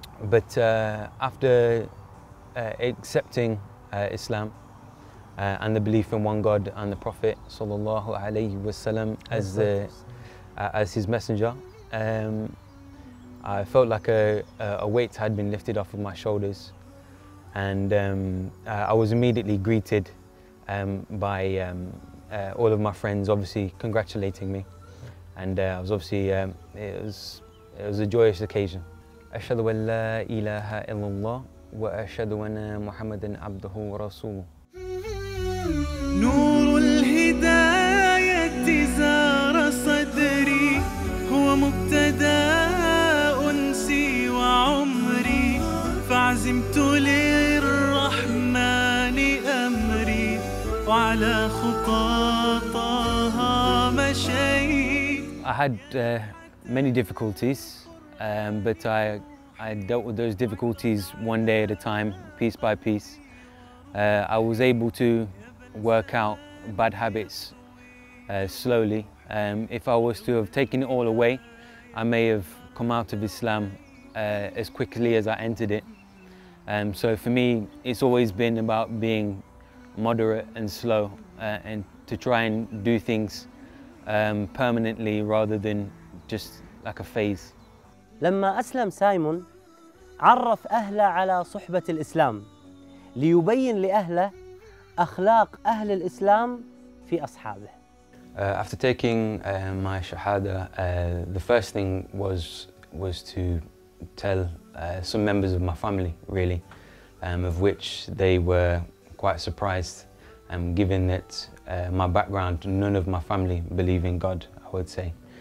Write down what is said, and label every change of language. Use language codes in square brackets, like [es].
[en] But after accepting Islam and the belief in one God and the Prophet sallallahu alaihi wasallam as his messenger, I felt like a weight had been lifted off of my shoulders, and I was immediately greeted by all of my friends, obviously congratulating me, and I was obviously it was a joyous occasion. [ar] أشهد أن لا إله إلا الله وأشهد أن محمدًا عبده ورسوله. نور الهداية زار صدري هو مبتدا أنسي وعمري فعزمت للرحمن أمري وعلى خطاها مشي. [en] I had many difficulties, but I dealt with those difficulties one day at a time, piece by piece. I was able to work out bad habits slowly. If I was to have taken it all away, I may have come out of Islam as quickly as I entered it. So for me, it's always been about being moderate and slow, and to try and do things permanently rather than just like a phase. [ar] لما أسلم سايمون عرف أهله على صحبة الإسلام ليبين لأهله أخلاق أهل الإسلام في أصحابه. [en] After taking my shahada, the first thing was to tell some members of my family, really, of which they were quite surprised, given that my background, none of my family believe in God, I would say.